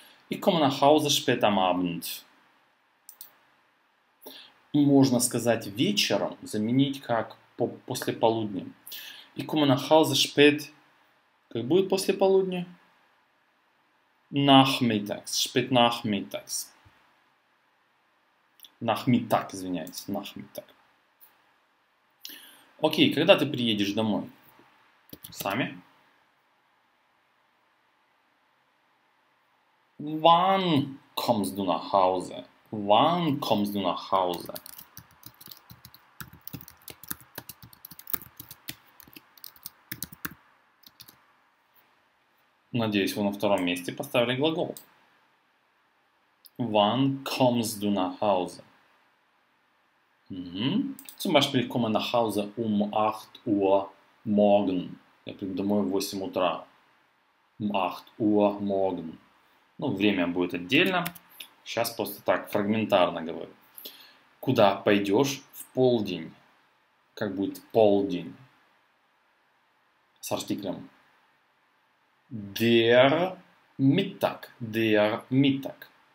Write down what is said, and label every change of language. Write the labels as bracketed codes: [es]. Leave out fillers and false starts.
[de] Ich komme nach Hause spät am Abend. [ru] Можно сказать вечером, заменить как после полудня. [de] Ich komme nach Hause spät. [ru] Как будет после полудня? Nachmittags. [de] Spät nachmittags. Nachmittag, [ru] извиняюсь. [de] Nachmittag. [ru] Окей, когда ты приедешь домой? Сами. [de] Wann kommst du nach Hause? Wann kommst du nach Hause? [ru] Надеюсь, вы на втором месте поставили глагол. [de] Wann kommst du nach Hause? Zum Beispiel, ich komme nach Hause um 8 Uhr morgen. [ru] Я приду домой в 8 утра. [de] Um 8 Uhr morgen. [ru] Ну, время будет отдельно. Сейчас просто так фрагментарно говорю. Куда пойдешь? В полдень. Как будет полдень? С артиклем. [de] Der Mittag. Der Mittag.